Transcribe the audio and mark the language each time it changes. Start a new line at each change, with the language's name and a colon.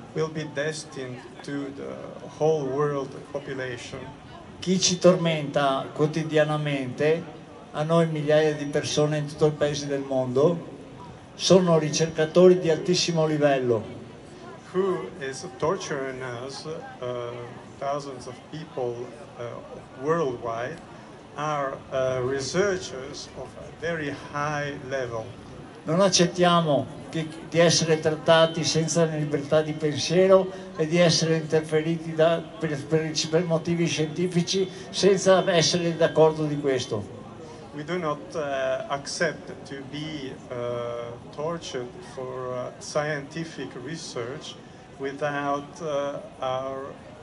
English: Will be destined to the whole world population.
Italian: Chi ci tormenta quotidianamente a noi migliaia di persone in tutto il paese del mondo, sono ricercatori di altissimo livello.
English: Who is torturing us, thousands of people worldwide, are researchers of a very high level.
Italian: Non accettiamo di essere trattati senza libertà di pensiero e di essere interferiti per motivi scientifici senza essere d'accordo di questo.
English: We do not accept to be tortured for scientific research without our